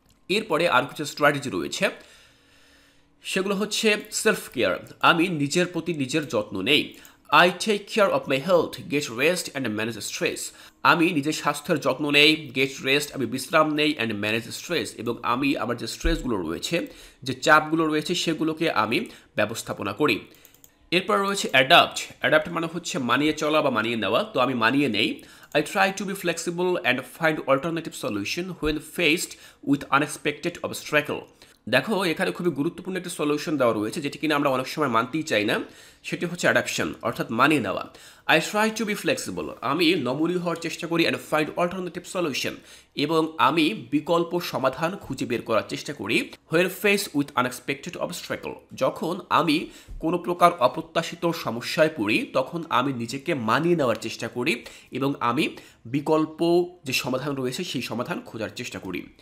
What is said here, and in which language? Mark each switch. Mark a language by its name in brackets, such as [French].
[Bangla] এরপরে আর কিছু স্ট্র্যাটেজি রয়েছে, সেগুলো হচ্ছে সেলফ কেয়ার, আমি নিজের প্রতি নিজের যত্ন নেই, [English] I take care of my health get rest and manage stress, [Bangla] আমি নিজের স্বাস্থ্যের যত্ন নেই, [English] get rest [Bangla] আমি বিশ্রাম নেই, [English] and manage stress [Bangla] এবং আমি আমার যে স্ট্রেসগুলো রয়েছে যে চাপগুলো রয়েছে সেগুলোকে আমি ব্যবস্থাপনা করি। এরপর রয়েছে অ্যাডাপ্ট, অ্যাডাপ্ট মানে হচ্ছে মানিয়ে চলা বা মানিয়ে নেওয়া, তো আমি মানিয়ে নেই, [English] I try to be flexible and find alternative solution when faced with unexpected obstacle. [Bangla] দেখো এখানে খুবই গুরুত্বপূর্ণ একটা সলিউশন দেওয়া রয়েছে যেটি কিনা আমরা অনেক সময় মানতেই চাই না, সেটি হচ্ছে অ্যাডাপশন, অর্থাৎ মানিয়ে নেওয়া। [English] I try to be flexible, [Bangla] আমি নমনীয় হওয়ার চেষ্টা করি, [English] and find alternative solution, [Bangla] এবং আমি বিকল্প সমাধান খুঁজে বের করার চেষ্টা করি। [English] where face with unexpected obstacle, [Bangla] যখন আমি কোনো প্রকার অপ্রত্যাশিত সমস্যায় পড়ি তখন আমি নিজেকে মানিয়ে নেওয়ার চেষ্টা করি এবং আমি বিকল্প যে সমাধান রয়েছে সেই সমাধান খোঁজার চেষ্টা করি।